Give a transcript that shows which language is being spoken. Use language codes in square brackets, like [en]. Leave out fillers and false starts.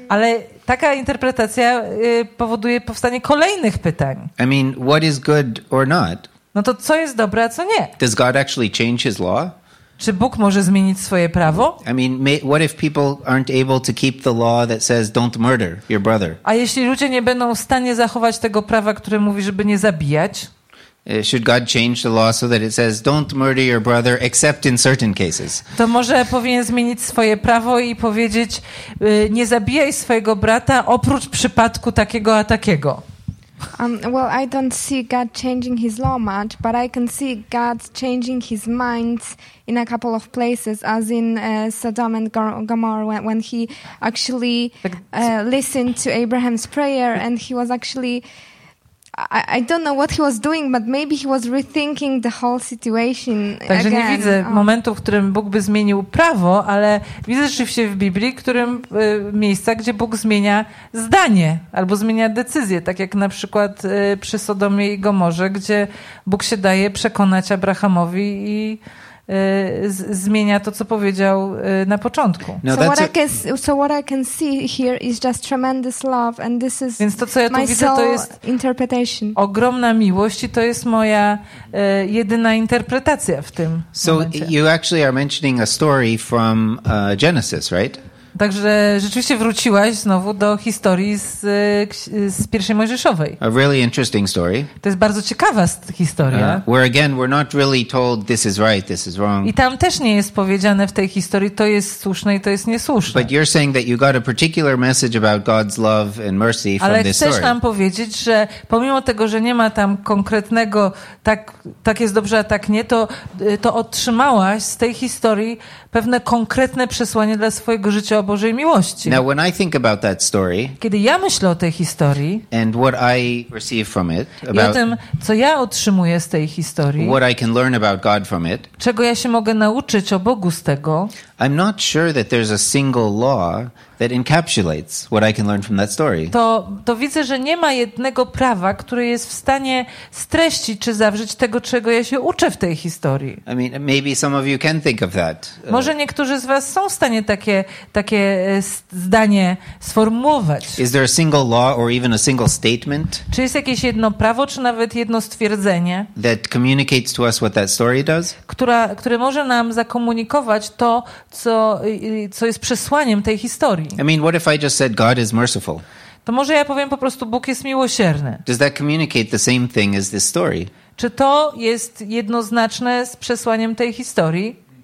[pl] Ale taka interpretacja powoduje powstanie kolejnych pytań. [en] I mean, what is good or not? [pl] No to co jest dobre, a co nie? [en] Does God actually change his law? [pl] Czy Bóg może zmienić swoje prawo? [en] I mean, what if people aren't able to keep the law that says don't murder your brother? [pl] A jeśli ludzie nie będą w stanie zachować tego prawa, które mówi, żeby nie zabijać? [en] Should God change the law so that it says don't murder your brother except in certain cases? [pl] To może powinien zmienić swoje prawo i powiedzieć nie zabijaj swojego brata oprócz przypadku takiego a takiego. [en] Well, I don't see God changing his law much, but I can see God changing his mind in a couple of places, as in Sodom and Gomorrah, when he actually listened to Abraham's prayer and he was actually I don't know what he was doing, but maybe he was rethinking the whole situation. [pl] Także [en] again. [pl] Nie widzę momentu, w którym Bóg by zmienił prawo, ale widzę rzeczywiście w Biblii, którym miejsca, gdzie Bóg zmienia zdanie albo zmienia decyzję, tak jak na przykład przy Sodomie i Gomorze, gdzie Bóg się daje przekonać Abrahamowi i zmienia to, co powiedział na początku. [en] So what I can see here is just tremendous love, and this is [pl] więc to, co ja tu widzę, to jest [en] interpretation. [pl] Ogromna miłość i to jest moja jedyna interpretacja w tym momencie. [en] So you actually are mentioning a story from Genesis, right? [pl] Także rzeczywiście wróciłaś znowu do historii z pierwszej Mojżeszowej. [en] A really interesting story. [pl] To jest bardzo ciekawa historia. [en] Where again we're not really told this is right, this is wrong. [pl] I tam też nie jest powiedziane w tej historii to jest słuszne i to jest niesłuszne. [en] But you're saying that you got a particular message about God's love and mercy from [pl] ale [en] this story. [pl] Ale chcesz nam powiedzieć, że pomimo tego, że nie ma tam konkretnego tak jest dobrze, a tak nie, to otrzymałaś z tej historii pewne konkretne przesłanie dla swojego życia o Bożej miłości. [en] Now, when I think about that story, [pl] kiedy ja myślę o tej historii [en] and what I receive from it, about, [pl] i o tym, co ja otrzymuję z tej historii, [en] what I can learn about God from it, [pl] czego ja się mogę nauczyć o Bogu z tego, [en] I'm not sure that there's a single law that encapsulates what I can learn from that story. [pl] To widzę, że nie ma jednego prawa, które jest w stanie streścić czy zawrzeć tego, czego ja się uczę w tej historii. [en] I mean, maybe some of you can think of that. [pl] Może niektórzy z was są w stanie takie zdanie sformułować. [en] Is there a single law or even a single statement? [pl] Czy jest jakieś jedno prawo, czy nawet jedno stwierdzenie, [en] that communicates to us what that story does? [pl] Które może nam zakomunikować to, co jest przesłaniem tej historii. [en] I mean, what if I just said God is merciful? [pl] To może ja powiem po prostu Bóg jest miłosierny. [en] Does that communicate the same thing as this story? [pl] Czy to jest jednoznaczne z przesłaniem tej historii?